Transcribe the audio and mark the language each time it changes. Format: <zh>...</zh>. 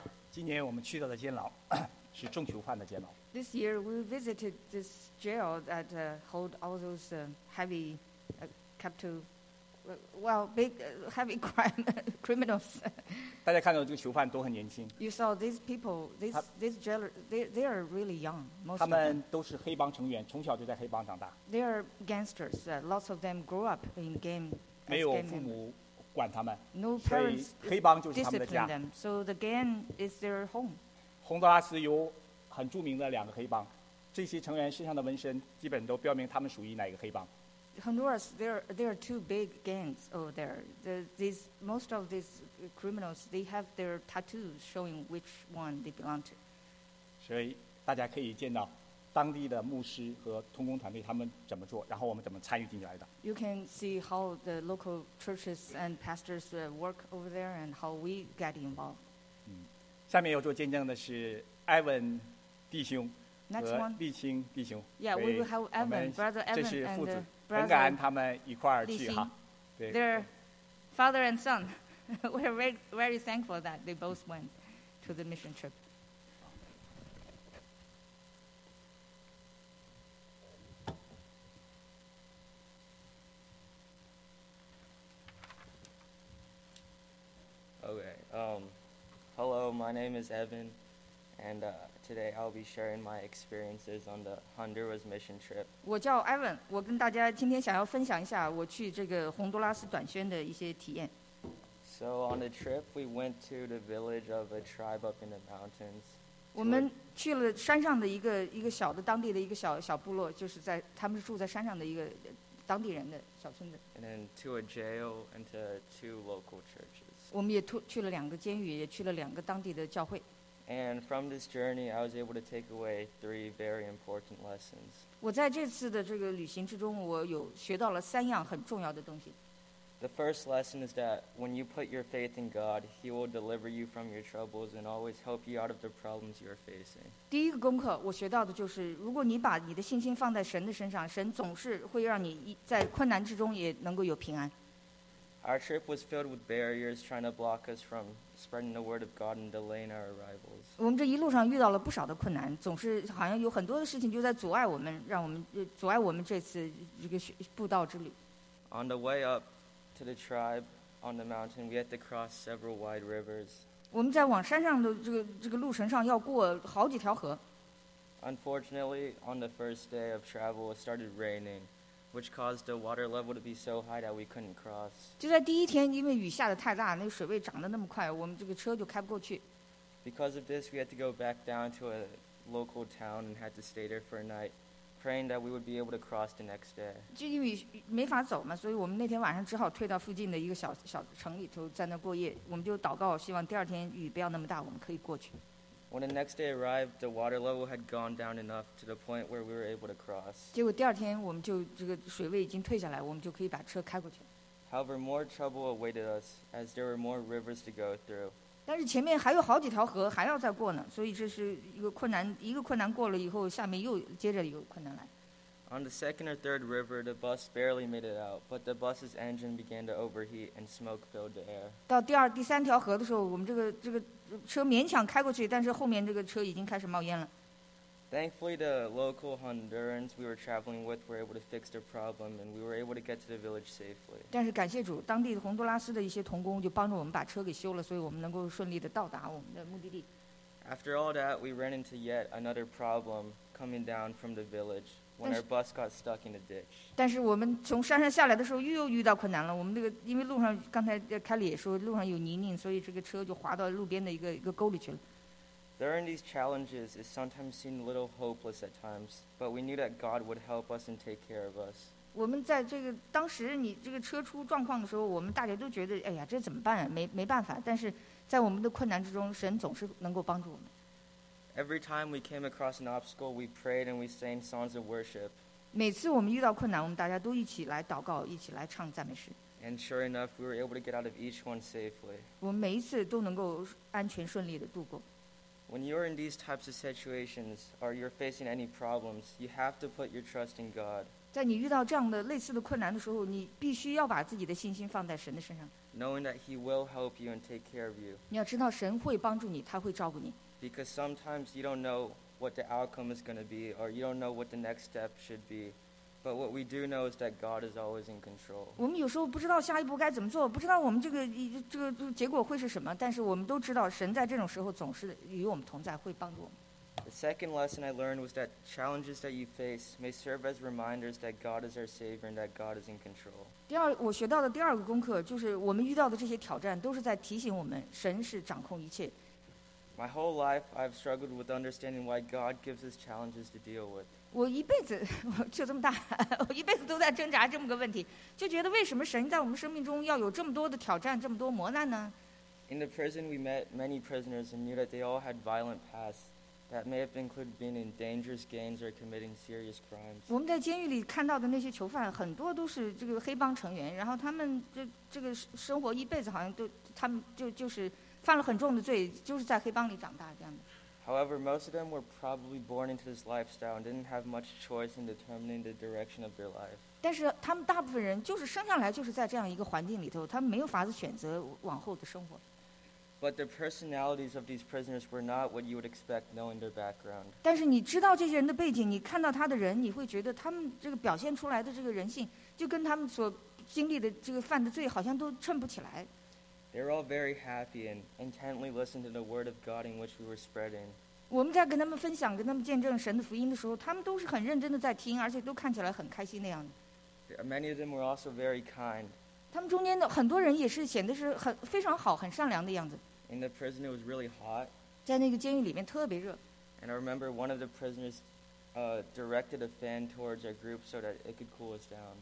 <zh>今年我们去到的监牢是重囚犯的监牢。</zh> <en>This year we visited this jail that hold all those heavy capital well, big, heavy crime, criminals.</en> <zh>大家看到这个囚犯都很年轻。</zh> <en>You saw these people, these jailers, they are really young. Most</en> <zh>他们都是黑帮成员，从小就在黑帮长大。</zh> <en>They are gangsters. Lots of them grew up in game.</en> <zh>没有父母管他们。</zh> <en>No parents.</en> <zh>黑帮就是他们的家。</zh> <en>Them, so the gang is their home.</en> <zh>洪都拉斯有很著名的两个黑帮，这些成员身上的纹身基本都标明他们属于哪个黑帮。</zh> <en>Honduras, there are two big gangs over there. Most of these criminals, they have their tattoos showing which one they belong to.</en> <zh>所以大家可以见到当地的牧师和同工团队他们怎么做，然后我们怎么参与进来的。</zh> <en>You can see how the local churches and pastors work over there and how we get involved.</en> <zh>下面要做见证的是艾文弟兄和丽青弟兄。</zh> <en>Yeah, we will have Evan, brother Evan,</en> <zh>这是父子。很感恩他们一块儿去哈，对。</zh> <en>Their father and son, we are very, very thankful that they both went to the mission trip. 。 Hello, my name is Evan, and today I'll be sharing my experiences on the Honduras mission trip.</en> <zh>我叫 Evan， 我跟大家今天想要分享一下我去这个洪都拉斯短宣的一些体验。</zh> <en>So on the trip, we went to the village of a tribe up in the mountains.</en> <zh>我们去了山上的一个小的当地的一个小部落，就是在他们是住在山上的一个当地人的小村子。</zh> <en>And then to a jail and to two local churches.</en> <zh>我们也去了两个监狱，也去了两个当地的教会。</zh> <en>And from this journey, I was able to take away three very important lessons.</en> <zh>我在这次的这个旅行之中，我有学到了三样很重要的东西。</zh> <en>The first lesson is that when you put your faith in God, He will deliver you from your troubles and always help you out of the problems you're facing.</en> <zh>第一个功课我学到的就是，如果你把你的信心放在神的身上，神总是会让你在困难之中也能够有平安。</zh> <en>Our trip was filled with barriers trying to block us from spreading the word of God and delaying our arrivals.</en> <zh>我们这一路上遇到了不少的困难，总是好像有很多的事情就在阻碍我们，让我们阻碍我们这次这个步道之旅。</zh> <en>On the way up to the tribe on the mountain, we had to cross several wide rivers.</en> <zh>我们在往山上的这个路程上要过好几条河。</zh> <en>Unfortunately, on the first day of travel, it started raining. Which caused the water level to be so high that we couldn't cross.</en> <zh>就在第一天，因为雨下的太大，那个水位涨得那么快，我们这个车就开不过去。</zh> <en>Because of this, we had to go back down to a local town and had to stay there for a night, praying that we would be able to cross the next day.</en> <zh>就因为没法走嘛，所以我们那天晚上只好退到附近的一个小城里头，在那过夜。我们就祷告，希望第二天雨不要那么大，我们可以过去。</zh> <en>When the next day arrived, the water level had gone down enough to the point where we were able to cross.</en> <zh>结果第二天我们就这个水位已经退下来，我们就可以把车开过去。</zh> <en>However, more trouble awaited us as there were more rivers to go through.</en> <zh>但是前面还有好几条河还要再过呢，所以这是一个困难。一个困难过了以后，下面又接着有困难来。</zh> <en>On the second or third river, the bus barely made it out, but the bus's engine began to overheat and smoke filled the air.</en> <zh>到第三条河的时候，我们这个车勉强开过去，但是后面这个车已经开始冒烟了。</zh> <en>Thankfully, the local Hondurans we were traveling with were able to fix the problem, and we were able to get to the village safely.</en> <zh>但是感谢主，当地洪都拉斯的一些同工就帮助我们把车给修了，所以我们能够顺利的到达我们的目的地。</zh> <en>After all that, we ran into yet another problem coming down from the village when our bus got stuck in a ditch.</en> <zh>但是我们从山上下来的时候又遇到困难了。我们那个因为路上刚才凯里也说路上有泥泞，所以这个车就滑到路边的一个沟里去了。</zh> <en>During these challenges, it sometimes seemed a little hopeless at times, but we knew that God would help us and take care of us.</en> <zh>我们在这个当时你这个车出状况的时候，我们大家都觉得哎呀这怎么办啊？没办法。但是在我们的困难之中，神总是能够帮助我们。</zh> <en>Every time we came across an obstacle, we prayed and we sang songs of worship.</en> <zh>每次我们遇到困难，我们大家都一起来祷告，一起来唱赞美诗。</zh> <en>And sure enough, we were able to get out of each one safely.</en> <zh>我们每一次都能够安全顺利的度过。</zh> <en>When you're in these types of situations or you're facing any problems, you have to put your trust in God.</en> <zh>在你遇到这样的类似的困难的时候，你必须要把自己的信心放在神的身上。</zh> <en>Knowing that He will help you and take care of you.</en> <zh>你要知道神会帮助你，他会照顾你。</zh> <en>Because sometimes you don't know what the outcome is going to be, or you don't know what the next step should be. But what we do know is that God is always in control.</en> <zh>我们有时候不知道下一步该怎么做，不知道我们这个结果会是什么，但是我们都知道神在这种时候总是与我们同在，会帮助我们。</zh> <en>The second lesson I learned was that challenges that you face may serve as reminders that God is our Savior and that God is in control.</en> <zh>第二，我学到的第二个功课就是我们遇到的这些挑战都是在提醒我们神是掌控一切。</zh> <en>My whole life, I've struggled with understanding why God gives us challenges to deal with.</en> <zh>我一辈子就这么大，我一辈子都在挣扎这么个问题，就觉得为什么神在我们生命中要有这么多的挑战，这么多磨难呢？</zh> <en>In the prison, we met many prisoners and knew that they all had violent pasts that may have included being in dangerous gangs or committing serious crimes.</en> <zh>我们在监狱里看到的那些囚犯，很多都是这个黑帮成员，然后他们这个生活一辈子好像都他们就是。犯了很重的罪，就是在黑帮里长大这样的。</zh> <en>However, most of them were probably born into this lifestyle and didn't have much choice in determining the direction of their life.</en> <zh>但是他们大部分人就是生下来就是在这样一个环境里头，他们没有法子选择往后的生活。</zh> <en>But the personalities of these prisoners were not what you would expect knowing their background.</en> <zh>但是你知道这些人的背景，你看到他的人，你会觉得他们这个表现出来的这个人性，就跟他们所经历的这个犯的罪好像都衬不起来。</zh> <en>They're all very happy and intently listened to the word of God in which we were spreading.</en> <zh>我们在跟他们分享、跟他们见证神的福音的时候，他们都是很认真的在听，而且都看起来很开心的样子。</zh> <en>Many of them were also very kind.</en> <zh>他们中间的很多人也是显得是很非常好、很善良的样子。</zh> <en>In the prison, it was really hot.</en> <zh>在那个监狱里面特别热。</zh> <en>And I remember one of the prisoners, directed a fan towards our group so that it could cool us down.</en>